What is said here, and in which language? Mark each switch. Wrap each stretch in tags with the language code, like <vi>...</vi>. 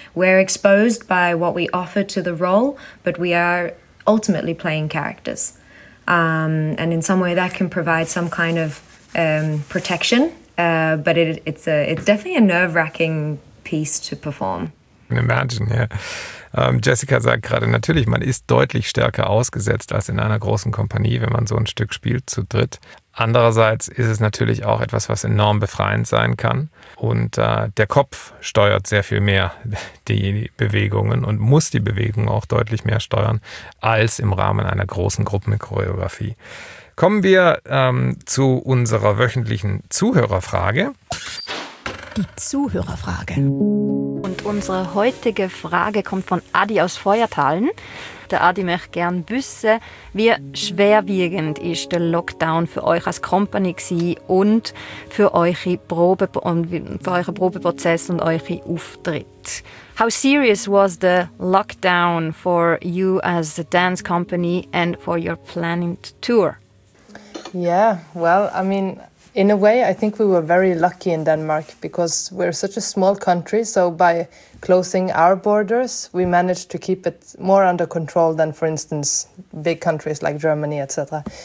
<en>We're exposed by what we offer to the role, but we are ultimately playing characters. And in some way that can provide some kind of protection, but it's definitely a nerve-wracking piece to perform. Imagine, ja.</en> <de>Jessica sagt gerade, natürlich, man ist deutlich stärker ausgesetzt als in einer großen Kompanie, wenn man so ein Stück spielt zu dritt. Andererseits ist es natürlich auch etwas, was enorm befreiend sein kann. Und der Kopf steuert sehr viel mehr die Bewegungen und muss die Bewegung auch deutlich mehr steuern als im Rahmen einer großen Gruppenchoreografie. Kommen wir zu unserer wöchentlichen Zuhörerfrage. Die Zuhörerfrage. Und unsere heutige Frage kommt von Adi aus Feuertalen. der Adi möchte gerne wissen, wie schwerwiegend war der Lockdown für euch als Company und für eure Probe und für euren Probeprozess und eure Auftritte?</de> <en>How serious was the lockdown for you as a dance company and for your planned tour? Yeah, well, I mean, in a way, I think we were very lucky in Denmark because we're such a small country. So by closing our borders, we managed to keep it more under control than, for instance, big countries like Germany, etc.</en>